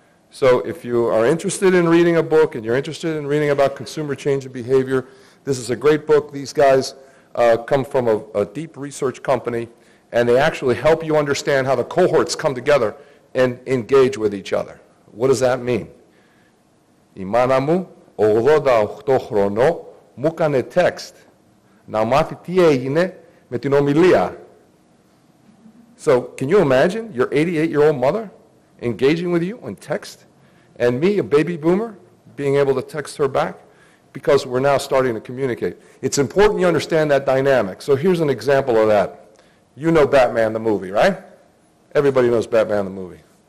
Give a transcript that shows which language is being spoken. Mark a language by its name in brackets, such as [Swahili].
[English] So if you are interested in reading a book and you're interested in reading about consumer change of behavior, this is a great book. These guys come from a deep research company, and they actually help you understand how the cohorts come together and engage with each other. What does that mean? [Greek] Η μάνα μου, 88 χρονών μου έκανε text να μάθει τι έγινε με την ομιλία. [English] So, can you imagine your 88-year-old mother engaging with you on text? And me, a baby boomer, being able to text her back? Because we're now starting to communicate. It's important you understand that dynamic. So here's an example of that. You know Batman the movie, right? Everybody knows Batman the movie.